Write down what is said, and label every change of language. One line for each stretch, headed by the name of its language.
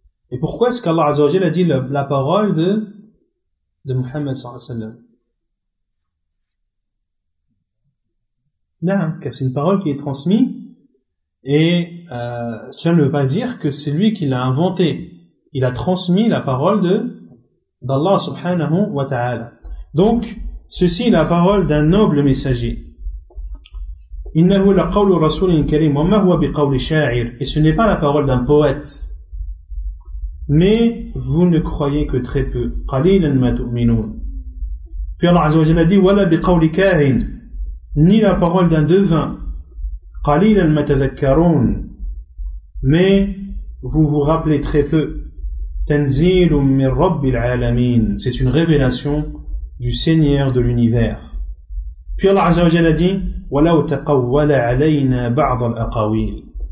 French: Et pourquoi est-ce qu'Allah azza wa jalla a dit la parole de Muhammad sallallahu alayhi wa sallam? Non, car c'est une parole qui est transmise, et cela ne veut pas dire que c'est lui qui l'a inventé. Il a transmis la parole d'Allah subhanahu wa ta'ala. Donc, ceci est la parole d'un noble messager.
Arabic: إنه لقول رسول كريم وما هو بقول شاعر.
French: Et ce n'est pas la parole d'un poète. Mais vous ne croyez que très peu.
Arabic: قليلا ما تؤمنون.
French: Puis Allah عز وجل a dit:
Arabic: ولا بقول كاهن.
French: Ni la parole d'un devin.
Arabic: قليلا ما تذكرون.
French: Mais vous vous rappelez très peu.
Arabic: تنزيل من رب العالمين.
French: C'est une révélation du Seigneur de l'univers. Puis Allah Azza wa Jalla a dit:
Arabic: وَلَوْ تَقَوَّلَ عَلَيْنَا بَعْضَ الْأَقَوِيلِ.